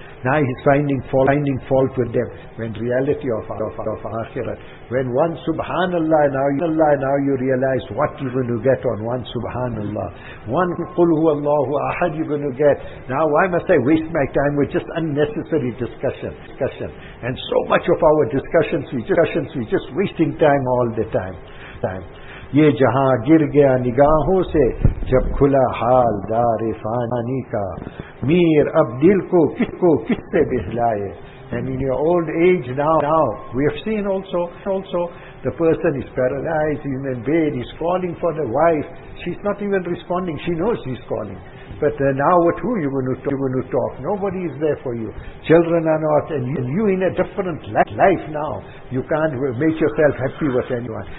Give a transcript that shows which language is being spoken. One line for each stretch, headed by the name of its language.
English: Now he's finding fault with them. When reality of akhirat, when one subhanallah, now you realize what you're going to get on one subhanallah. One qul huwallahu ahad you're going to get. Now why must I waste my time with just unnecessary discussion? And so much of our discussions, we're just wasting time all the time.
Urdu: یہ جہاں گر گیا نگاہوں سے جب کھلا حال دار فانی کا میر اب دل کو کس سے بہلائے.
English: And in your old age now we have seen also the person is paralyzed, he's in bed, he's calling for the wife, she's not even responding, she knows he's calling, but now what, who you going to talk? Nobody is there for you, children are not, and you in a different life now, you can't make yourself happy with anyone.